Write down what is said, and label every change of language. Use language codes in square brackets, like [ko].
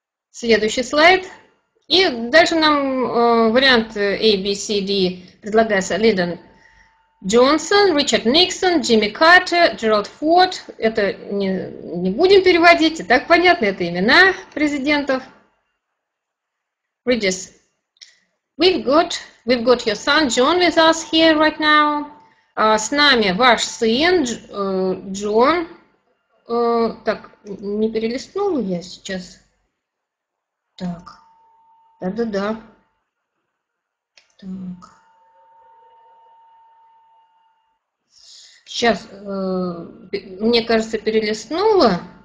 [ru] Следующий слайд. И дальше нам вариант A, B, C, D предлагается Линдон Джонсон, Ричард Никсон, Джимми Картер, Джеральд Форд. Это не будем переводить. Так понятно, это имена президентов. [en] Риджес, we've got your son John with us here right now. [ru] С нами ваш сын Джон. Так, не перелистнула я сейчас. Так, да-да-да. Так. Сейчас, мне кажется, перелистнула.